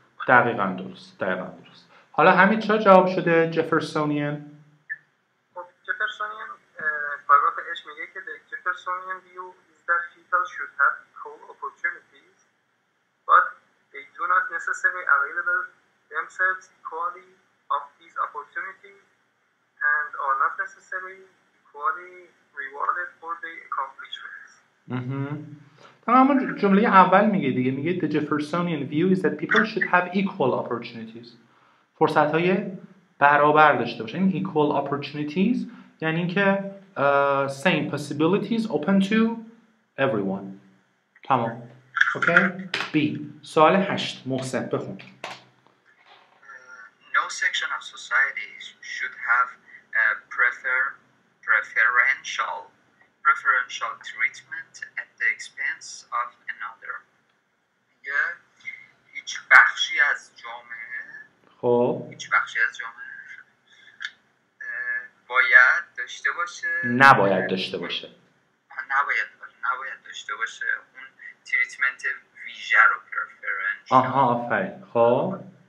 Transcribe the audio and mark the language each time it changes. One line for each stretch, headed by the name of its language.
Persian: دقیقاً درست، دقیقاً درست. حالا همین چرا جواب شده جفرسونیان؟ خب جفرسونیان پاراگراف اش میگه که
English: the Jeffersonian view is that people should have equal opportunities but they do not necessarily available themselves equally of these opportunities and are not necessarily equally rewarded for their accomplishments.
Persian: تمام جمله اول میگه دیگه، میگه
English: the Jeffersonian view is that people should have equal opportunities،
Persian: فرصت های برابر داشته باشه. این
English: equal opportunities
Persian: یعنی که
English: same possibilities open to everyone.
Persian: تمام okay. B سوال 8 محسن بخون.
English: No section of society should have preferential treatment at the expense of another.
Persian: یه هیچ بخشی از جامعه خب هیچ بخشی از جامعه باید داشته باشه نباید داشته باشه نباید باشه نباید داشته باشه اون تریتمنت ویژه رو پرفرنشال. آها آفرین. خب